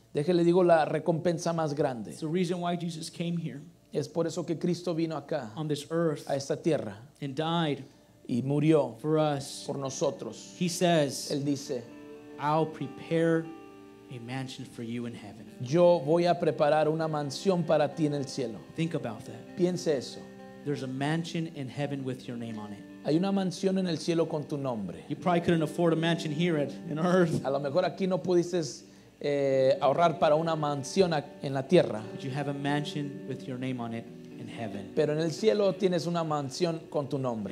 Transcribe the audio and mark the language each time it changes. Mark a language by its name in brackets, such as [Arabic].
[Spanish] Déjele digo la recompensa más grande. [English] It's the reason why Jesus came here. [Spanish] Es por eso que Cristo vino acá. [English] On this earth. [Spanish] A esta tierra. [English] And died. [Spanish] Y murió. [English] For us. [Spanish] Por nosotros. [English] He says. [Spanish] Él dice. [English] I'll prepare a mansion for you in heaven. [Spanish] Yo voy a preparar una mansión para ti en el cielo. [English] Think about that. [Spanish] Piense eso. [English] There's a mansion in heaven with your name on it. [Spanish] Hay una mansión en el cielo con tu nombre. [English] You probably couldn't afford a mansion here at in earth. [Spanish] A lo mejor aquí no pudiste ahorrar para una mansión en la tierra. [English] But you have a mansion with your name on it in heaven. [Spanish] Pero en el cielo tienes una mansión con tu nombre.